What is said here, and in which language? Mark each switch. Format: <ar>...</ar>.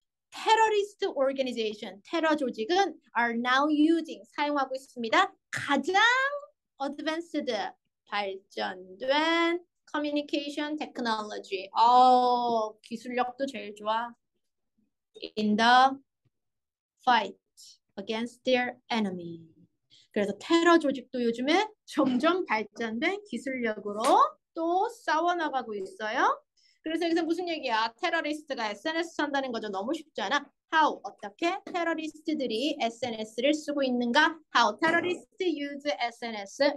<ko>테러리스트 오르가니제이션, 테러 조직은</ko> <en>are now using,</en> <ko>사용하고 있습니다. 가장 advanced, 발전된 커뮤니케이션 테크놀로지. 기술력도 제일 좋아.</ko> <en>In the fight against their enemy.</en> <ko>그래서 테러 조직도 요즘에 점점 발전된 기술력으로 또 싸워나가고 있어요. 그래서 여기서 무슨 얘기야? 테러리스트가 SNS 한다는 거죠. 너무 쉽지 않아?</ko> <en>How,</en> <ko>어떻게 테러리스트들이 SNS를 쓰고 있는가?</ko> <en>How,</en> <ko>테러리스트</ko> <en>use SNS.</en>